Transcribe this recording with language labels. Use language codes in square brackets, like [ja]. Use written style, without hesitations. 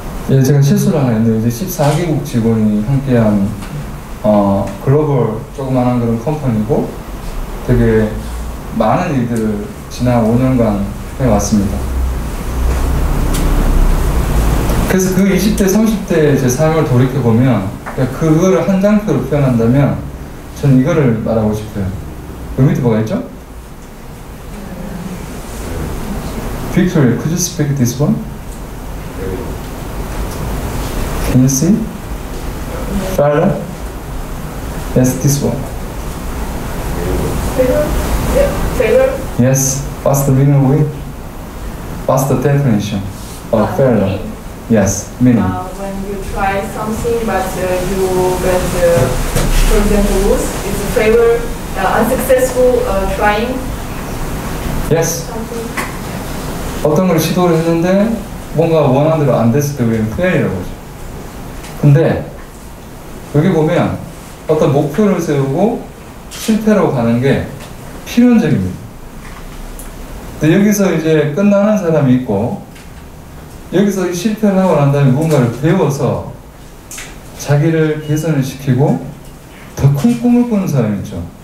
[ko] 예, 제가 실수를 하나 했는데, 이제 14개국 직원이 함께한, 글로벌 조그만한 그런 컴퍼니고, 되게 많은 일들을 지난 5년간 해왔습니다. 그래서 그 20대, 30대의 제 삶을 돌이켜보면, 그거를 한 장표로 표현한다면, 전 이거를 말하고 싶어요. 의미도 뭐가 있죠? [en] Victory, could you speak this one? Can you see? Farla? Yes, this one. Failure? Yes, what's the meaning of it? What's the definition of failure? Yes, meaning. When you try something but you get, for example, lose, it's a failure, unsuccessful trying. Yes. Something. [ko] 어떤 걸 시도를 했는데 뭔가 원하는 대로 안 됐을 때 우리는 fail이라고 하죠. 근데 여기 보면 어떤 목표를 세우고 실패로 가는 게 필연적입니다. 근데 여기서 이제 끝나는 사람이 있고 여기서 실패를 하고 난 다음에 무언가를 배워서 자기를 개선을 시키고 더 큰 꿈을 꾸는 사람이 있죠.